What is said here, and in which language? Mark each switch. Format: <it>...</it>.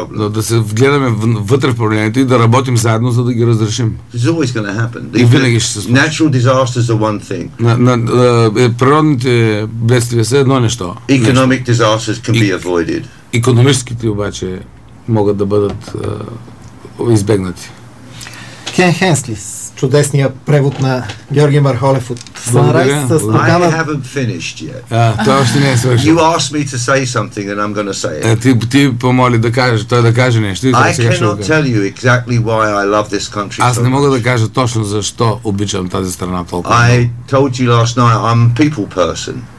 <bg>Да се вгледаме вътре в проблемите и да работим заедно, за да ги разрешим.</bg> <en>It's always gonna happen.</en> <bg>И винаги ще се случи.</bg> <en>Natural disasters are one thing.</en> <bg>Природните бедствия са едно нещо.</bg> <en>Economic disasters can be avoided.</en> <bg>Икономическите обаче могат да бъдат избегнати. Кен Хенсли, чудесния превод на Георги Мархолев от Sunrise. Благодаря.</bg> <en>I haven't finished yet.</en> <bg>Той още не е свършил.</bg> <en>You asked me to say something and I'm going to say it.</en> <bg>Ти помоли да кажеш, той да каже нещо.</bg> <en>I cannot tell you exactly why I love this country.</en> <bg>Аз не мога да кажа точно защо обичам тази страна толкова.</bg> <en>I told you last night I'm a people person.</en>